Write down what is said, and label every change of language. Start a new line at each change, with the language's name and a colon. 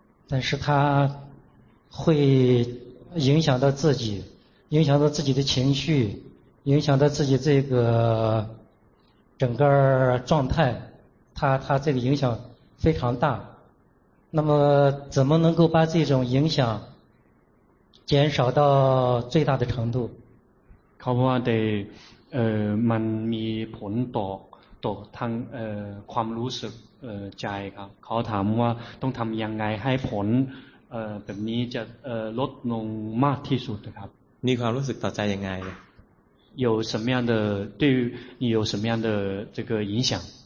Chinese: 但是它会影响到自己影响到自己的情绪影响到自己这个整个状态它这个影响非常大那么怎么能够把这种影响减少到最大的程度
Thai: เขาบอกว่าแต่มันมีผลต่อทางความรู้สึกใจครับเขาถามว่าต้องทำยังไงให้ผลแบบนี้จะลดลงมากที่สุดครับ มีความรู้สึกต่อใจยังไง
Chinese: 有什么样的对于你有什么样的这个影响